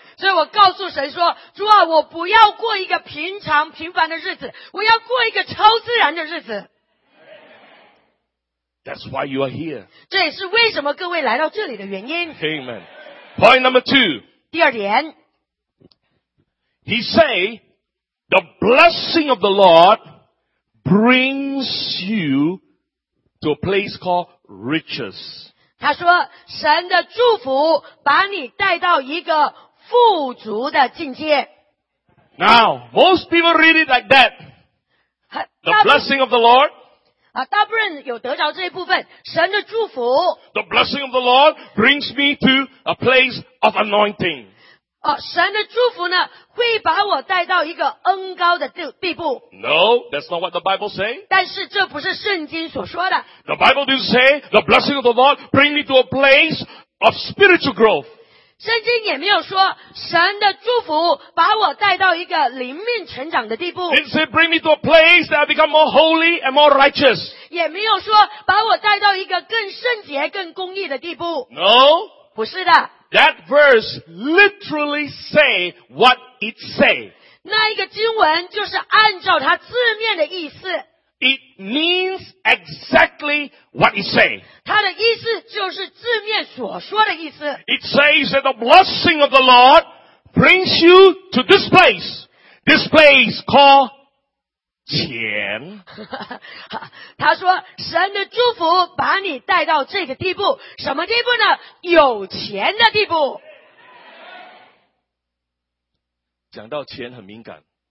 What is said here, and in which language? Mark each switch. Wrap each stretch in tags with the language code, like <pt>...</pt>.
<zh>所以我告诉神说，主啊，我不要过一个平凡的日子，我要过一个超自然的日子。</zh> <en>That's why you are here.</en> <zh>这也是为什么各位来到这里的原因。</zh> <en>Amen. Point number two.</en> <zh>第二点。</zh> <en>He say,The blessing of the Lord brings you to a place called riches.</en> <zh>他说，神的祝福把你带到一个富足的境界。</zh> <en>Now, most people read it like that. The blessing of the Lord.</en> <zh>大部分有得着这一部分，神的祝福。</zh> <en>The blessing of the Lord brings me to a place of anointing.</en> <zh>神的祝福呢，会把我带到一个恩高的地步。</zh> <en>No, that's not what the Bible say.</en> <zh>但是这不是圣经所说的。</zh> <en>The Bible didn't say the blessing of the Lord bring me to a place of spiritual growth.</en> <zh>圣经也没有说神的祝福把我带到一个灵命成长的地步。</zh> <en>Didn't say bring me to a place that I become more holy and more righteous.</en> <zh>也没有说把我带到一个更圣洁、更公义的地步。</zh> <en>No,</en> <zh>不是的。</zh> <en>That verse literally say what it say.</en> <zh>那一个经文就是按照它字面的意思。</zh> <en>It means exactly what it say.</en> <zh>它的意思就是字面所说的意思。</zh> <en>It says that the blessing of the Lord brings you to this place. This place called钱。</en> <zh>他说神的祝福把你带到这个地步，什么地步呢？有钱的地步。讲到钱很敏感。</zh>